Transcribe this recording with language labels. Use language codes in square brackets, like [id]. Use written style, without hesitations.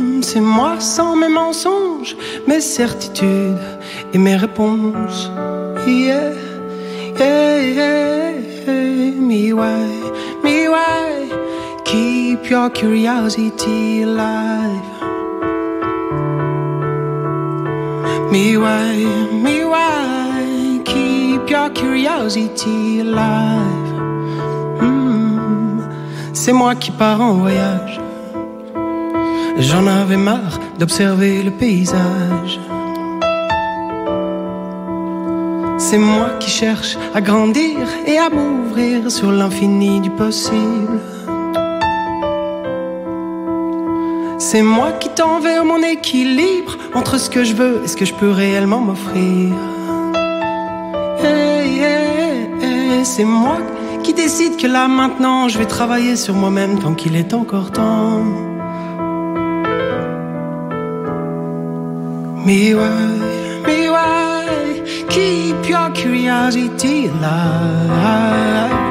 [fr] C'est moi sans mes mensonges, mes certitudes et mes réponses. [en] Yeah, yeah, yeah, me why, keep your curiosity alive. Me why, keep your curiosity alive. [fr] C'est moi qui pars en voyage. J'en avais marre d'observer le paysage. C'est moi qui cherche à grandir et à m'ouvrir sur l'infini du possible. C'est moi qui tends vers mon équilibre entre ce que je veux et ce que je peux réellement m'offrir. Hey, hey, hey, c'est moi qui décide que là maintenant je vais travailler sur moi-même tant qu'il est encore temps. [en] Me why, keep your curiosity alive.